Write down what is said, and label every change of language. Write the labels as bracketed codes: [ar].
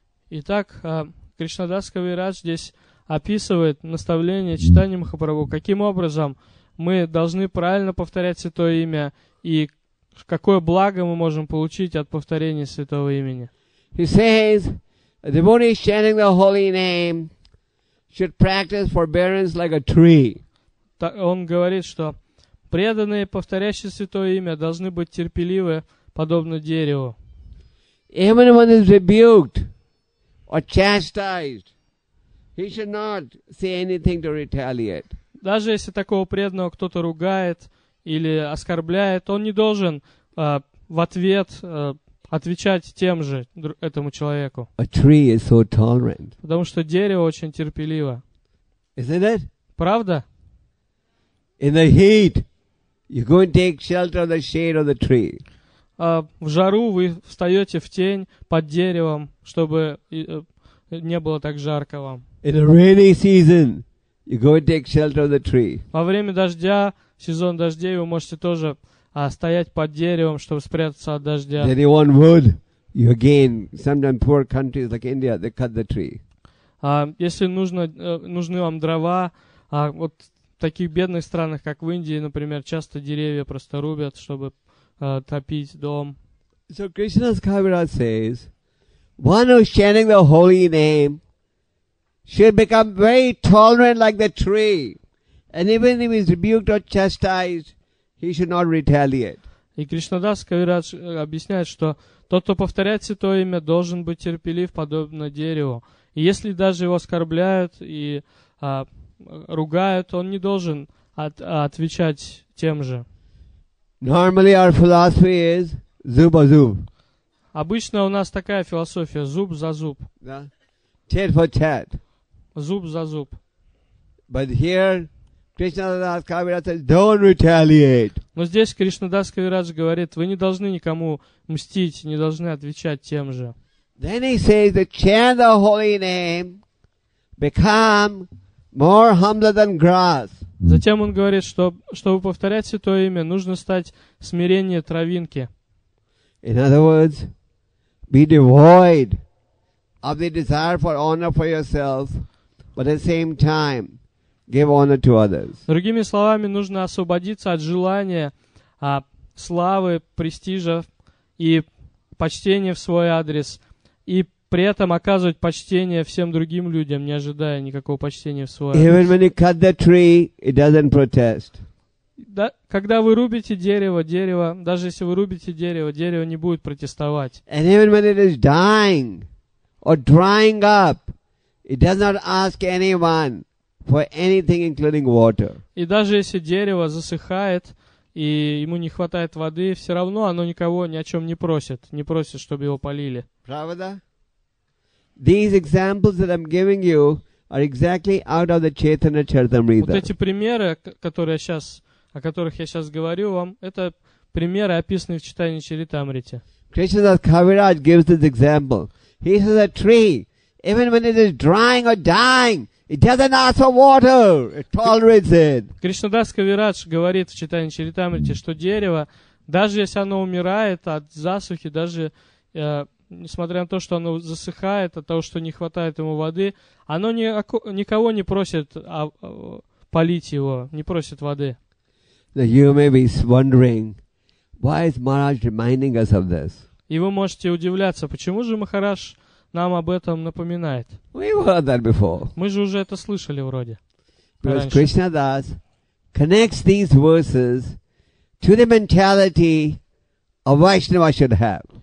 [ru] Итак, Кришнадас Кавирадж здесь описывает наставление Чайтаньи Махапрабху, каким образом мы должны правильно повторять святое имя и какое благо мы можем получить от повторения святого имени. [en] He says, a devotee is chanting the holy name should practice forbearance like a tree. [ru] Он говорит, что преданные, повторяющие святое имя, должны быть терпеливы, подобно дереву. [en] Even when is rebuked or chastised, he should not say anything to retaliate. [ru] Даже если такого преданного кто-то ругает или оскорбляет, он не должен в ответ отвечать тем же этому человеку. [en] A tree is so tolerant. [ru] Потому что дерево очень терпеливо. [en] Isn't it? [ru] Правда? [en] In the heat, you go and take shelter of the shade of the tree. [ru] В жару вы встаете в тень под деревом, чтобы не было так жарко вам. [en] In a rainy season, you go and take shelter of the tree. [ru] Во время дождя, сезон дождей, вы можете тоже стоять под деревом, чтобы спрятаться от дождя. [en] Then you want wood, you again, sometimes poor countries like India, they cut the tree. [ru] Если нужны вам дрова, вот в таких бедных странах, как в Индии, например, часто деревья просто рубят, чтобы топить дом. [en] So Krishnadas Kaviraj says, one who is chanting the holy name should become very tolerant like the tree. And even if he is rebuked or chastised, he should not retaliate. [ru] И Кришнадас Кавирадж объясняет, что тот, кто повторяет святое имя, должен быть терпелив, подобно дереву. И если даже его оскорбляют и ругают, он не должен отвечать тем же. [en] Normally our philosophy is [ru] zub a zub. Обычно у нас такая философия: зуб за зуб. [en] Да. Tit for tat. [ru] Зуб за зуб. [en] But here Krishnadas Kaviraj says, don't retaliate. [ru] Но здесь Кришнадас Кавирадж говорит, вы не должны никому мстить, не должны отвечать тем же. [en] Then he says that chant the holy name, become more humble than grass. [ru] Затем он говорит, что чтобы повторять святое имя, нужно стать смиреннее травинки. [en] In other words, be devoid of the desire for honor for yourself, but at the same time, give honor to others. [ru] Другими словами, нужно освободиться от желания славы, престижа и почтения в свой адрес, и при этом оказывать почтение всем другим людям, не ожидая никакого почтения в свой [en] адрес. Even when you cut the tree, it doesn't protest. [ru] Да, когда вы рубите дерево, дерево, даже если вы рубите дерево, дерево не будет протестовать. [en] And even when it is dying or drying up, it does not ask anyone for anything, including water. И даже если дерево засыхает и ему не хватает воды, все равно оно никого ни о чем не просит, не просит, чтобы его полили. [ru] Правда? [en] These examples that I'm giving you are exactly out of the Chaitanya Charitamrita. [ru] Вот эти примеры, которые сейчас о которых я сейчас говорю вам, это примеры, описанные в Чайтанья Чаритамрите. [en] Кришна Кавирадж gives this example. He says a tree, even when it is drying or dying, it doesn't ask for water. It tolerates it. [ru] Кришнадас Кавирадж говорит в Чайтанья Чаритамрите, что дерево, даже если оно умирает от засухи, даже несмотря на то, что оно засыхает от того, что не хватает ему воды, оно никого не просит полить его, не просит воды. [en] Now you may be wondering, why is Maharaj reminding us of this? [ru] И вы можете удивляться, почему же Махарадж нам об этом напоминает? [en] We've heard that before. [ru] Мы же уже это слышали вроде. [en] Because Krishna Das connects these verses to the mentality a Vaishnava should have.